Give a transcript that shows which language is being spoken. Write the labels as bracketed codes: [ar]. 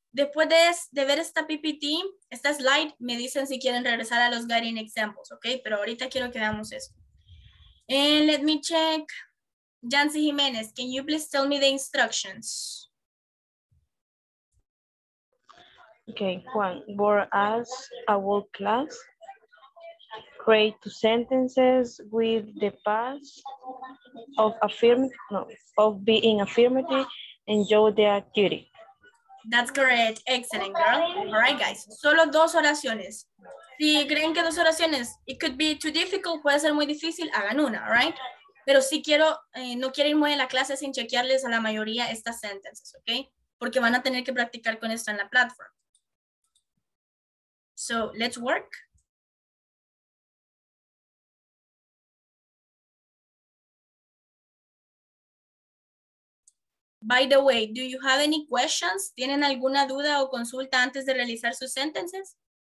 [es] Después de ver esta PPT, esta slide, me dicen si quieren regresar a los guiding examples, ¿ok? Pero ahorita quiero que veamos esto. [en] And let me check. Yancy Jimenez, can you please tell me the instructions? Okay, Juan, bore us a world class. Create two sentences with the past of being affirmative and show the activity. That's great. Excellent, girl. All right, guys. [es] Solo dos oraciones. Si creen que dos oraciones, [en] it could be too difficult, [es] puede ser muy difícil, hagan una, all right? Pero si quiero, no quiero ir muy en la clase sin chequearles a la mayoría estas sentences, okay? Porque van a tener que practicar con esto en la platform. [en] So, let's work. By the way, do you have any questions? [es] ¿Tienen alguna duda o consulta antes de realizar sus sentences?